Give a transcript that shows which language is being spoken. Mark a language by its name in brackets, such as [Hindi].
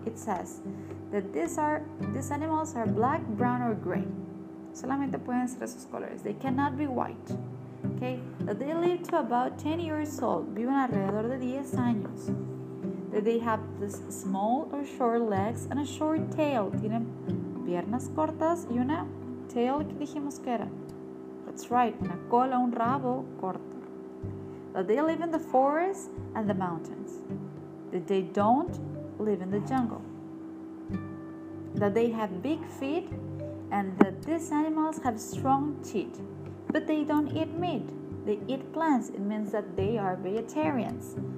[English] It says that these animals are black, brown, or gray. [Spanish] Solamente pueden ser esos colores. [English] They cannot be white. Okay? That they live to about 10 years old. [Spanish] Viven alrededor de 10 años. [English] That they have this small or short legs and a short tail. [Spanish] Tienen piernas cortas y una tail que dijimos que era. [English] That's right, [Spanish] una cola, un rabo corto. [English] That they live in the forest and the mountains. That they don't live in the jungle. That they have big feet and that these animals have strong teeth. But they don't eat meat. They eat plants. It means that they are vegetarians.